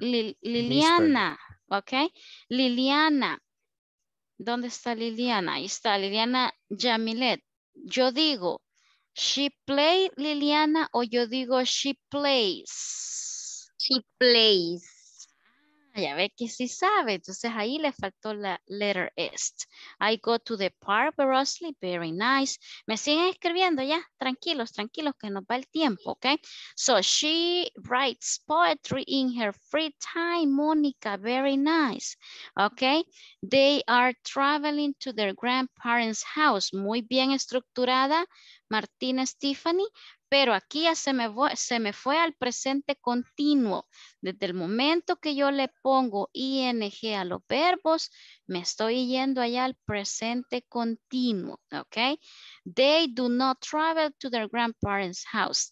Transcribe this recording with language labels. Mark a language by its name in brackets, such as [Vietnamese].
[Spanish] Liliana, okay. Liliana, ¿dónde está Liliana? Ahí está Liliana Jamilet. Yo digo, she play Liliana o yo digo she plays. [English] She plays. [Spanish] Ya ve que sí sabe, entonces ahí le faltó la letter S. [English] I go to the park, Rosely, very nice. [Spanish] Me siguen escribiendo ya, tranquilos, tranquilos, que nos va el tiempo, ¿ok? [English] So she writes poetry in her free time, Monica, very nice, ¿ok? They are traveling to their grandparents' house, muy bien estructurada, Martina, Stephanie. [Spanish] Pero aquí ya se me fue al presente continuo. Desde el momento que yo le pongo ing a los verbos, me estoy yendo allá al presente continuo. [English] ¿Okay? They do not travel to their grandparents' house.